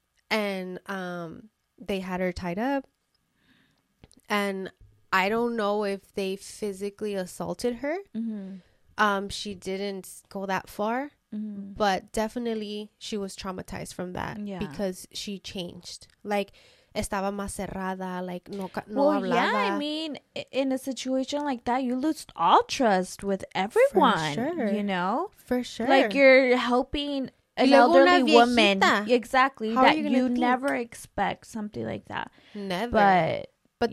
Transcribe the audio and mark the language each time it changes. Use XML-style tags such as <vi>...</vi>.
<en>And they had her tied up, and I don't know if they physically assaulted her. Mm-hmm. She didn't go that far, but definitely she was traumatized from that because she changed.</en> <es>Like, estaba más cerrada, like, no hablaba.</es> <en>Well, yeah, I mean, in a situation like that, you lose all trust with everyone, you know? For sure. Like, you're helping an elderly woman. Exactly. How that you never expect something like that. Never. But</en>